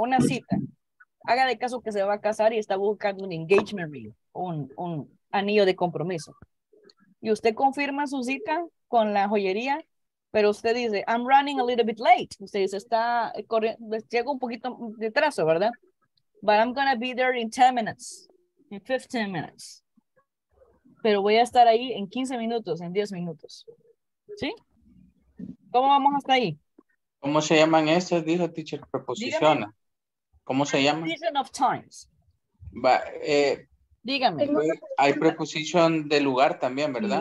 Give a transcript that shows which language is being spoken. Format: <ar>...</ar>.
<es>Una cita. Haga de caso que se va a casar y está buscando un</es> <en>engagement ring,</en> <es>un anillo de compromiso. Y usted confirma su cita con la joyería, pero usted dice,</es> <en>I'm running a little bit late.</en> <es>Usted dice, está corriendo, llego un poquito de trazo, ¿verdad?</es> <en>But I'm going to be there in 10 minutes, in 15 minutes.</en> <es>Pero voy a estar ahí en 15 minutos, en 10 minutos. ¿Sí? ¿Cómo vamos hasta ahí? ¿Cómo se llaman esas? Dice teacher, preposiciona. Dígame. ¿Cómo se llama?</es> <en>Preposition of times.</en> <es>Va, dígame. Hay preposición de lugar también, ¿verdad?</es>